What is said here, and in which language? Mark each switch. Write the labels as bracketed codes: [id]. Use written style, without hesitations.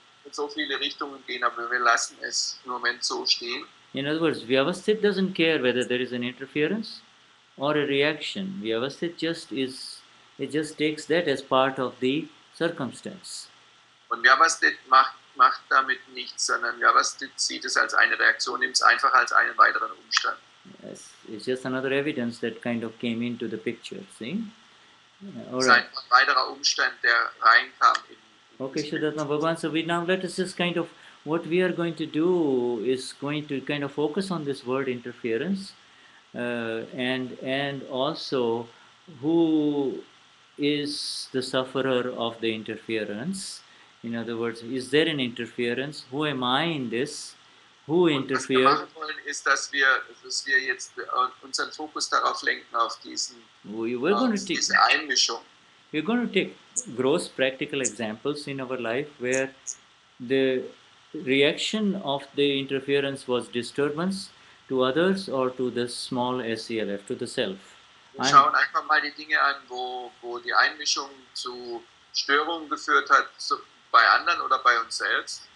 [de] So viele Richtungen gehen, aber wir lassen es im Moment so stehen. [en] In other words, Vyavasthit doesn't care whether there is an interference or a reaction. Vyavasthit just takes that as part of the circumstance. [de] Und Vyavasthit macht damit nichts, sondern Vyavasthit sieht es als eine Reaktion, nimmt es einfach als einen weiteren Umstand. [en] Yes, it's just another evidence that kind of came into the picture, see? [de] Es ist einfach ein weiterer Umstand, der reinkam in. [en] Okay, Shuddhatma Bhagavan, so now let us just kind of, what we are going to do is going to kind of focus on this word interference and also who is the sufferer of the interference. In other words, is there an interference? Who am I in this? Who interferes? [de] Was wir machen wollen, ist, dass wir jetzt unseren Fokus darauf lenken, auf diese Einmischung. [en] We're going to take gross practical examples in our life where the reaction of the interference was disturbance to others or to the small SELF, to the self. [de] Wir schauen einfach mal die Dinge an, wo die Einmischung zu Störungen geführt hat, so bei anderen oder bei uns selbst.